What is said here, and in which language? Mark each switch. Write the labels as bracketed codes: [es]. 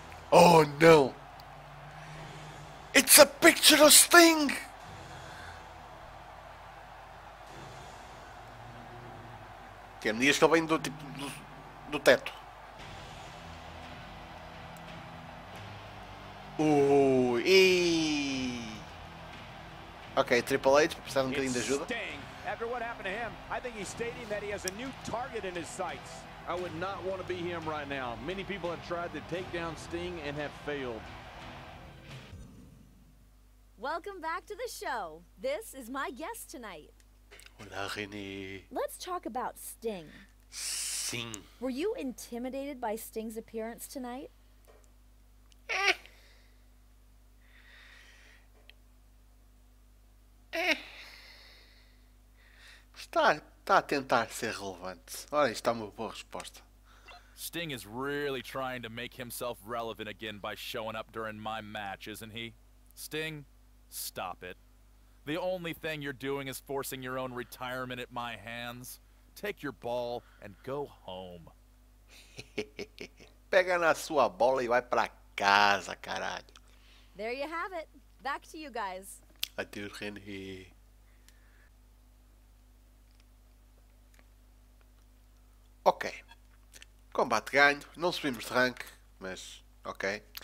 [pt] Oh, não! [en] It's a picture of Sting! [pt] Que me diz que ele vem do tipo do teto. E ok, Triple H, precisa de um bocadinho de ajuda. [en] After what happened to him, I think he's stating that he has a new target in his sights. I would not want to be him right now. Many people have tried to take down Sting and have failed. Welcome back to the show. This is my guest tonight. Hola, René. Let's talk about Sting. Sting. Were you intimidated by Sting's appearance tonight? [pt] Está a tentar ser relevante. Olha, isto é uma boa resposta. [en] Sting is really trying to make himself relevant again by showing up during my match, isn't he? Sting, stop it. The only thing you're doing is forcing your own retirement at my hands. Take your ball and go home. [pt] Pega na sua bola e vai para casa, caralho. [en] There you have it. Back to you guys. [pt] Adeus, René. Ok. Combate ganho. Não subimos de rank, mas ok.